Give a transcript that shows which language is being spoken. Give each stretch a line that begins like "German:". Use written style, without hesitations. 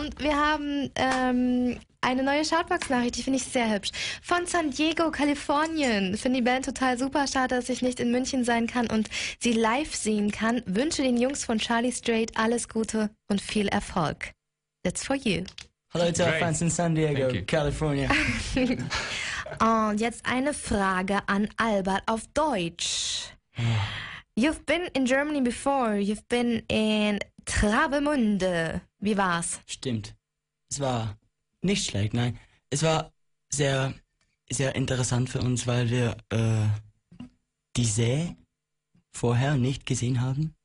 German: Und wir haben eine neue Shoutbox-Nachricht, die finde ich sehr hübsch. Von San Diego, Kalifornien. Finde die Band total super. Schade, dass ich nicht in München sein kann und sie live sehen kann. Wünsche den Jungs von Charlie Straight alles Gute und viel Erfolg.
English: That's for you. Hello to our fans in San Diego, California.
German: Und jetzt eine Frage an Albert auf Deutsch.
English: You've been in Germany before. You've been in Travemünde.
German: Wie war's? Stimmt. Es war nicht schlecht, nein. Es war sehr, sehr interessant für uns, weil wir die See vorher nicht gesehen haben.